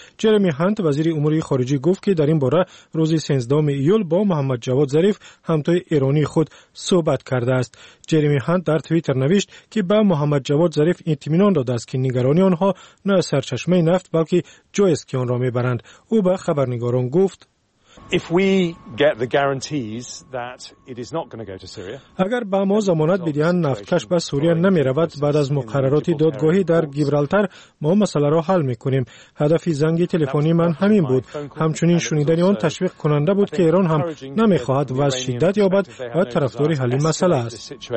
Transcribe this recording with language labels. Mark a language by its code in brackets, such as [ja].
[fa] جرمی هانت وزیر امور خارجه گفت که در این باره روز 13 ایول با محمد جواد ظریف همتای ایرانی خود صحبت کرده است. جرمی هانت در توییتر نوشت که با محمد جواد ظریف اطمینان داده است که نگرانی آنها نه سرچشمه نفت بلکه جایی است که آن را میبرند. او به خبرنگاران گفت [en] If we get the guarantees that it is not going to go to Syria. [fa] اگر با ما ضمانت بدهند نفتکش به سوریه نمی‌رود، بعد از مقررات دادگاهی در گیبرالتر ما مسئله را حل می‌کنیم. هدف زنگ تلفنی من همین بود. همچنین شنیدن آن تشویق کننده بود که ایران هم نمی‌خواهد وضع شدت یابد و طرفدار حل مسئله است.